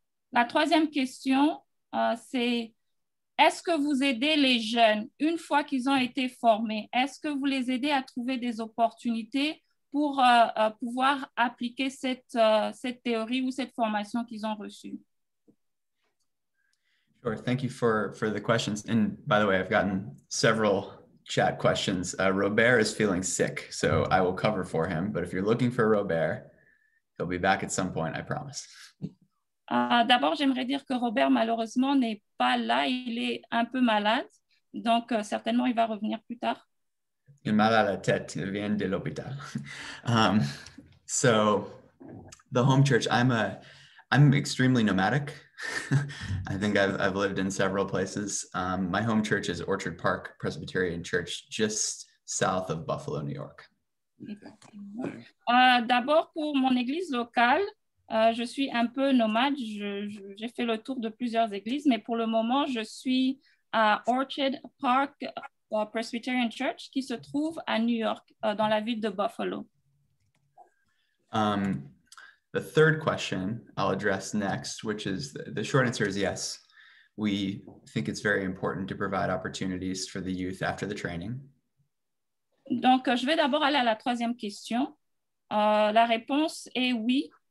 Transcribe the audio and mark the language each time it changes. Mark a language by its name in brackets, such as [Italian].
[French] La troisième question, c'est est-ce que vous aidez les jeunes une fois qu'ils ont été formés? Est-ce que vous les aidez à trouver des opportunités pour pouvoir appliquer cette théorie ou cette formation qu'ils ont reçue? [English] Sure, thank you for the questions. And by the way, I've gotten several chat questions. Robert is feeling sick, so I will cover for him. But if you're looking for Robert, he'll be back at some point, I promise. [French] D'abord, j'aimerais dire que Robert, malheureusement, n'est pas là. Il est un peu malade. Donc, certainement, il va revenir plus tard. Il mal à la tête. Il vient de l'hôpital. [English] So, the home church, I'm extremely nomadic. I think I've lived in several places. My home church is Orchard Park Presbyterian Church, just south of Buffalo, New York. [French] D'abord, pour mon église locale, je suis un peu nomade. J'ai fait le tour de plusieurs églises, mais pour le moment, je suis à Orchard Park Presbyterian Church, qui se trouve à New York, dans la ville de Buffalo. [English] The third question I'll address next, which is the short answer is yes. We think it's very important to provide opportunities for the youth after the training. [French] Donc, je vais d'abord aller à la troisième question. La réponse est oui.